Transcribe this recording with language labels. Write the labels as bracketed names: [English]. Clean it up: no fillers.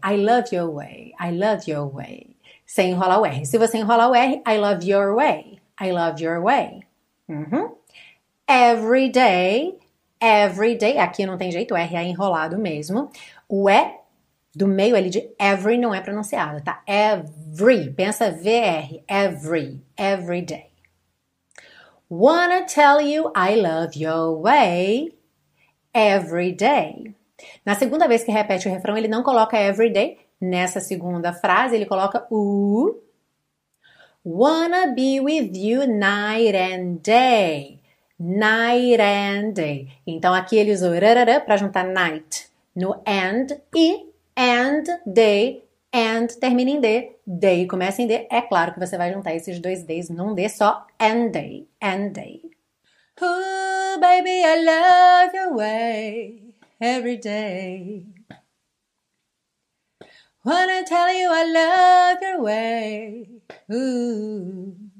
[English] I love your way. I love your way. [Portuguese] Sem enrolar o R. [English] Se você enrolar o R, I love your way. I love your way. Uhum. Every day. Every day. [Portuguese] Aqui não tem jeito, o R é enrolado mesmo. O E do meio ali de every não é pronunciado, tá? [English] Every. [Portuguese] Pensa VR. [English] Every. Every day. Wanna tell you I love your way. Every day. [Portuguese] Na segunda vez que repete o refrão, ele não coloca every day. Nessa segunda frase, ele coloca o. [English] Wanna be with you night and day. Night and day. [Portuguese] Então, aqui ele usou rarara para juntar night no and e and day. And termina em D. Day começa em D. É claro que você vai juntar esses dois Ds num D só. [English] And day. And day. Ooh, baby, I love your way every day. Wanna tell you I love your way. Ooh.